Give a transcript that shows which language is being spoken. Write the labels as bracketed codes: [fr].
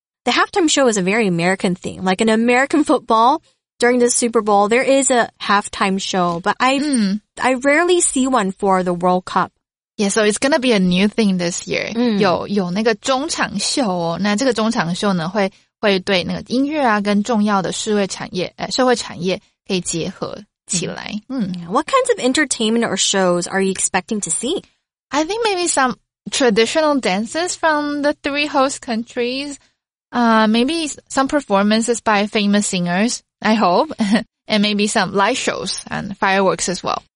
[en] The halftime show is a very American thing. Like in American football, during the Super Bowl, there is a halftime show. But I rarely see one for the World Cup. Yeah, so it's going to be a new thing this year. [zh] 有那个中场秀哦。那这个中场秀呢会对那个音乐啊跟重要的社会产业可以结合。起来。 [en] What kinds of entertainment or shows are you expecting to see? I think maybe some traditional dances from the three host countries. Maybe some performances by famous singers, I hope. And maybe some live shows and fireworks as well.